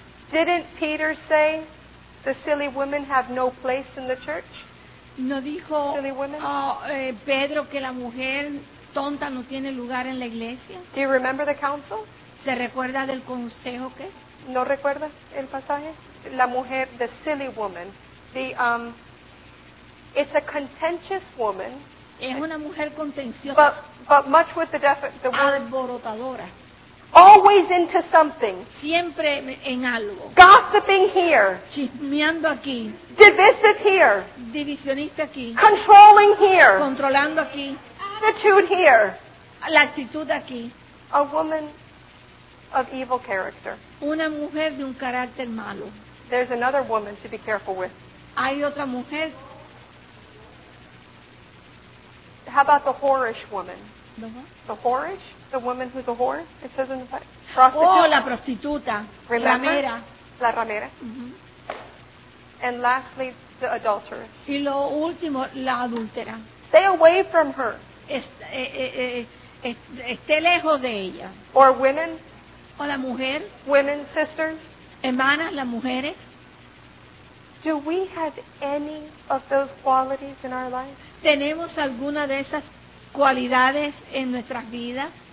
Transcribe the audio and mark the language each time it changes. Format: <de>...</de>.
<en>Didn't Peter say the silly women have no place in the church?</en> <es>¿No dijo Pedro que la mujer tonta no tiene lugar en la iglesia?</es> <en>Do you remember the council?</en> <es>¿Se recuerda del consejo qué? ¿No recuerda el pasaje? La mujer,</es> <en>the silly woman. It's a contentious woman.</en> <es>Es una mujer contenciosa.</es> <en>But much with the word.</en> <es>Alborotadora.</es> <en>Always into something.</en> <es>Siempre en algo.</es> <en>Gossiping here.</en> <es>Chismeando aquí.</es> <en>Divisive here.</en> <es>Divisionista aquí.</es> <en>Controlling here.</en> <es>Controlando aquí.</es> <en>Attitude here.</en> <es>La actitud aquí.</es> <en>A woman of evil character.</en> <es>Una mujer de un carácter malo.</es> <en>There's another woman to be careful with.</en> <es>Hay otra mujer.</es> <en>How about the whorish woman? The what? The whorish? The woman who's a whore? It says in the prostitute.</en> <es>Oh, la prostituta.</es> <en>Remember?</en> <es>Ramera. La ramera. Mm-hmm.</es> <en>And lastly, the adulteress.</en> <es>Y lo último, la adúltera.</es> <en>Stay away from her.</en> <es>Esté lejos de ella.</es> <en>Or women.</en> <es>O la mujer.</es> <en>Women, sisters.</en> <es>Hermanas, las mujeres.</es> <en>Do we have any of those qualities in our life?</en> <es>¿Tenemos alguna de esas cualidades en nuestras vidas?</es>